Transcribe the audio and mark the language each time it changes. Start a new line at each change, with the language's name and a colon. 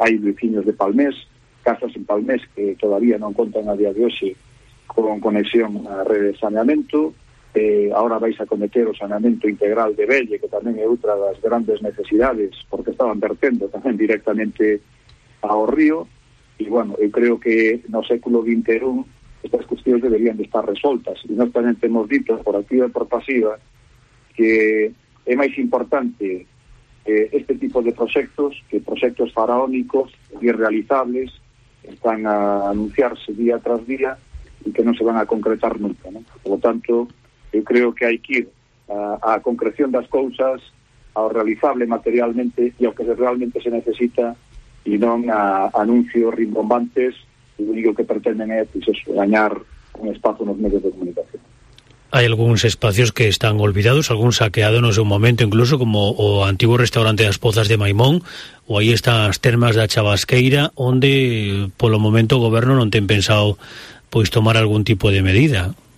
Galician: Hai veciños de Palmés, casas en Palmés que todavía non contan a día de hoxe con conexión a rede de saneamento. Ahora vais a cometer o saneamento integral de Velle, que tamén é outra das grandes necesidades, porque estaban vertendo tamén directamente ao río. E, bueno, eu creo que no século XXI estas cuestións deberían de estar resoltas. E nós tamén temos dito, por activa e por pasiva, que é máis importante este tipo de proxectos que proxectos faraónicos e irrealizables están a anunciarse día tras día e que non se van a concretar nunca, ¿no?
Spanish: Por lo tanto,
Galician: eu creo que hai que ir a concreción das cousas, ao realizable materialmente e ao que realmente se necesita, e non a anuncios rimbombantes. O único que pretenden é gañar un espazo nos medios de comunicación.
Spanish: Hay algunos espacios que están olvidados, algún saqueado en un momento incluso, como o antiguo restaurante de las Pozas de Maimón, o ahí están las termas de la Chavasqueira, donde por lo momento el gobierno no tiene pensado pues tomar algún tipo de medida.